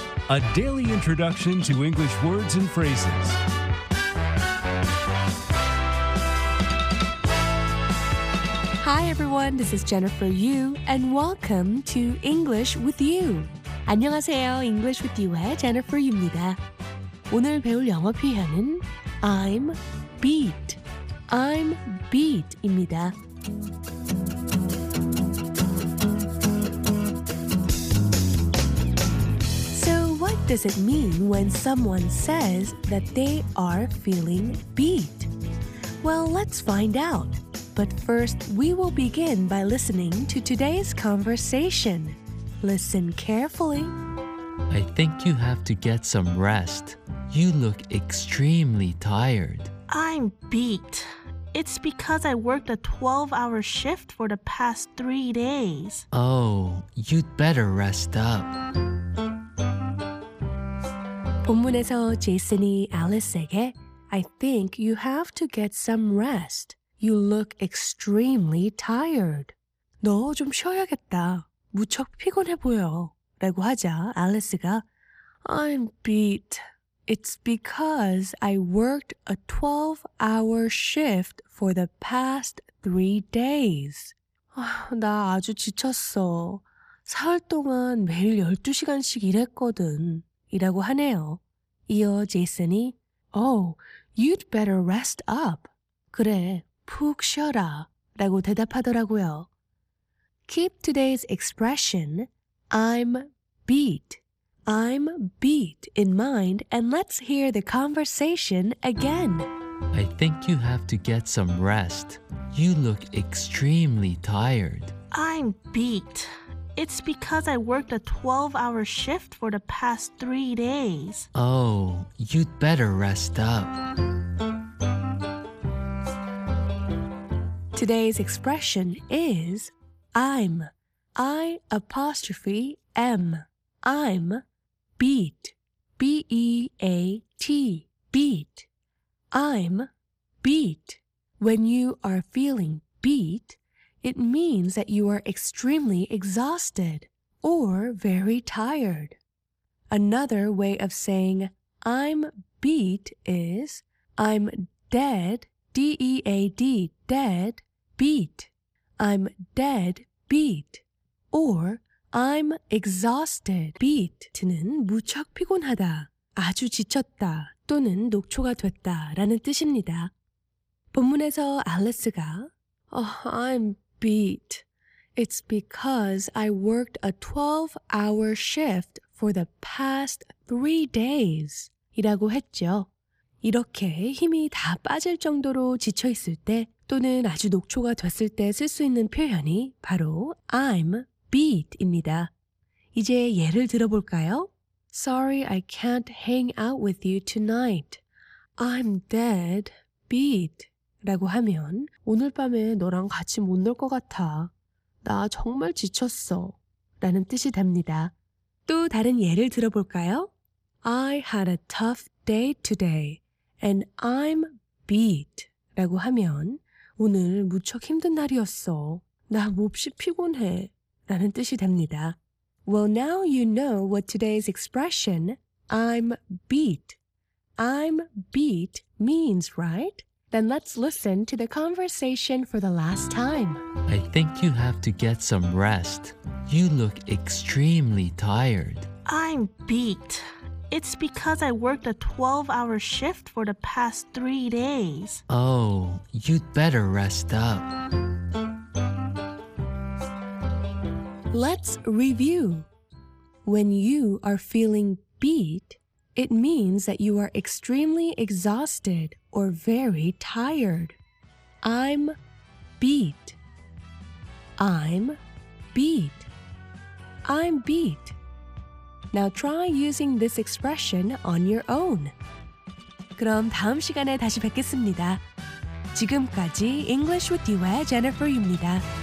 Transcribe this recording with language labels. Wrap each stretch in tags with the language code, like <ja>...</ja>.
<en>A daily introduction to English words and phrases. Hi everyone, this is Jennifer Yu, and welcome to English with You.</en> <ko>안녕하세요, English with You의 Jennifer Yu입니다. 오늘 배울 영어 표현은</ko> <en>I'm beat, I'm beat</en> <ko>입니다.</ko> <en>What does it mean when someone says that they are feeling beat? Well, let's find out. But first, we will begin by listening to today's conversation. Listen carefully. I think you have to get some rest. You look extremely tired. I'm beat. It's because I worked a 12-hour shift for the past 3 days. Oh, you'd better rest up.</en> <ko>본문에서 제이슨이 알리스에게</ko> <en>I think you have to get some rest. You look extremely tired.</en> <ko>너 좀 쉬어야겠다. 무척 피곤해 보여. 라고 하자 알리스가</ko> <en>I'm beat. It's because I worked a 12-hour shift for the past 3 days.</en> <ko>나 아주 지쳤어. 사흘 동안 매일 12시간씩 일했거든. 이라고 하네요. 이어 제이슨이</ko> <en>Oh, you'd better rest up.</en> <ko>그래, 푹 쉬어라 라고 대답하더라고요.</ko> <en>Keep today's expression, I'm beat. I'm beat in mind, and let's hear the conversation again. I think you have to get some rest. You look extremely tired. I'm beat. It's because I worked a 12-hour shift for the past 3 days. Oh, you'd better rest up. Today's expression is I'm. I'm. I'm beat. B-E-A-T. Beat. I'm beat. When you are feeling beat, it means that you are extremely exhausted or very tired. Another way of saying I'm beat is I'm dead, D-E-A-D, dead, beat. I'm dead, beat. Or I'm exhausted,</en> <ko>beat는 무척 피곤하다, 아주 지쳤다 또는 녹초가 됐다 라는 뜻입니다. 본문에서 알리스가</ko> <en>Oh, I'm beat. It's because I worked a 12-hour shift for the past 3 days.</en> <ko>이라고 했죠. 이렇게 힘이 다 빠질 정도로 지쳐 있을 때 또는 아주 녹초가 됐을 때 쓸 수 있는 표현이 바로</ko> <en>I'm beat</en> <ko>입니다. 이제 예를 들어볼까요?</ko> <en>Sorry, I can't hang out with you tonight. I'm dead beat.</en> <ko>라고 하면 오늘 밤에 너랑 같이 못 놀 것 같아. 나 정말 지쳤어. 라는 뜻이 됩니다. 또 다른 예를 들어볼까요?</ko> <en>I had a tough day today and I'm beat.</en> <ko>라고 하면 오늘 무척 힘든 날이었어. 나 몹시 피곤해. 라는 뜻이 됩니다.</ko> <en>Well, now you know what today's expression, I'm beat. I'm beat means, right? Then let's listen to the conversation for the last time. I think you have to get some rest. You look extremely tired. I'm beat. It's because I worked a 12-hour shift for the past 3 days. Oh, you'd better rest up. Let's review. When you are feeling beat, it means that you are extremely exhausted or very tired. I'm beat. I'm beat. I'm beat. Now try using this expression on your own.</en> <ko>그럼 다음 시간에 다시 뵙겠습니다. 지금까지 English with you의 Jennifer입니다.</ko>